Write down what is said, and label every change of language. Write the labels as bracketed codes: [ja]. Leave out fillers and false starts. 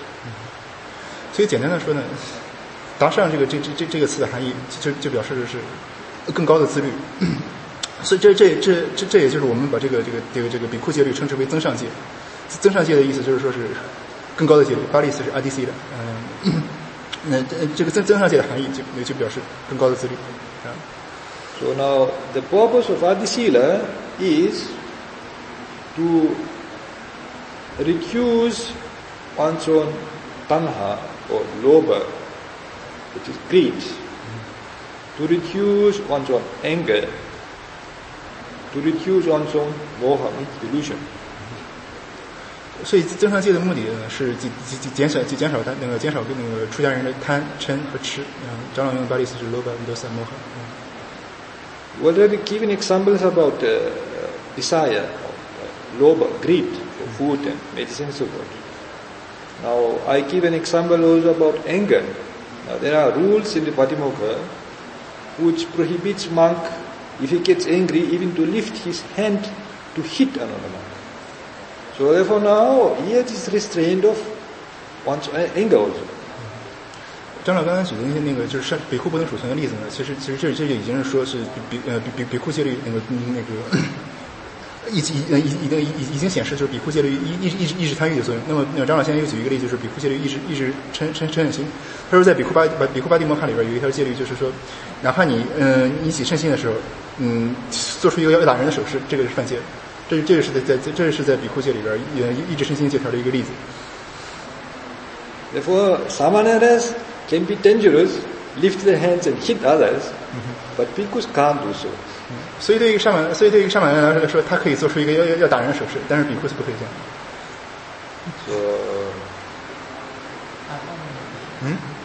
[zh] 嗯、所以简单的说呢，达尚这个词的含义就表示的是更高的自律。所以这也就是我们把这个比库戒律称之为增上戒。增上戒的意思就是说是更高的戒律，巴利斯是阿迪西的。这个增上戒的含义就表示更高的自律。 [en] 啊、so now the purpose of Adisila is to. Recuse one's own tanha or loba, which is greed, to recuse one's own anger, to recuse one's own moha, which is delusion. [zh] 所以增上戒的目的呢是减少那个出家人的贪嗔和痴。长老用的巴利斯是 loba, dosa, moha. [en] We already given examples about desire, loba, greed. Food and medicine, so forth. Now, I give an example also about anger. Now, there are rules in the Patimokkha which prohibits monk, if he gets angry, even to lift his hand to hit another monk. So, therefore, now he is restrained of one's anger also. [zh] 张老刚刚举的那个就是比库不能储存的例子呢，其实这就已经是说是比库戒律那个。已经显示就是比库戒律抑制贪欲的作用。那么张老现在又举一个例子，就是比库戒律抑制嗔恨心。他说在比库巴蒂摩诃里边有一条戒律，就是说哪怕你起嗔心的时候做出一个要打人的手势，这个是犯戒。这是在比库戒里边抑制嗔心戒条的一个例子。 [en] Therefore, samanas can be dangerous, lift their hands and hit others, but bhikkhus can't do so. [zh] 所以对于上满来说，他可以做出一个要打人的手势，但是比库斯不可以这样。